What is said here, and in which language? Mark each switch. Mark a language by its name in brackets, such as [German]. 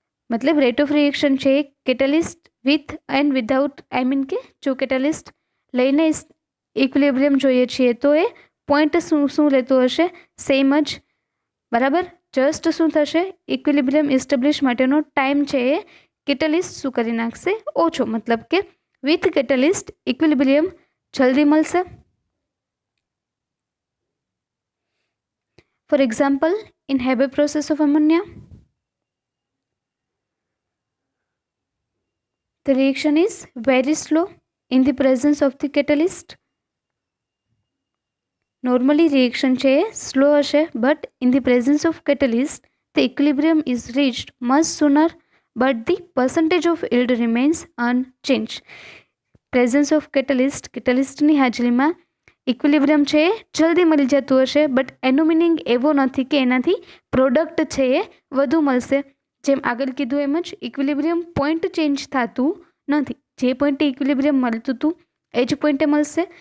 [Gujarati] મતલબ rate of reaction છે catalyst with and without, [English] I mean [Gujarati] કે જો કેટલિસ્ટ લઈને ઇક્વિલિબ્રિયમ જોઈએ છીએ તો એ પોઈન્ટ શું શું રહેતો હશે, સેમ જ, બરાબર. જસ્ટ શું થશે, ઇક્વિલિબ્રિયમ ઇસ્ટેબ્લિશ માટેનો ટાઈમ છે એ કેટલિસ્ટ શું કરી નાખશે, ઓછો. મતલબ કે વિથ કેટલિસ્ટ ઇક્વિલિબ્રિયમ જલ્દી મળશે. [English] For example in Haber process of ammonia The reaction is very slow in the presence of the catalyst. Normally reaction [Gujarati] che slow hashe, [English] but in the presence of catalyst the equilibrium is reached much sooner, but the percentage of yield remains unchanged. Presence of catalyst [Gujarati] કેટલિસ્ટની હાજરીમાં equilibrium છે એ જલ્દી મળી જતું હશે, but એનો meaning એવો નથી કે એનાથી પ્રોડક્ટ છે એ વધુ મળશે. જેમ આગળ કીધું એમ જ ઇક્વિલિબ્રિયમ પોઈન્ટ ચેન્જ થતું નથી, જે પોઈન્ટે ઇક્વિલિબ્રિયમ મળતું હતું એ જ પોઈન્ટે મળશે.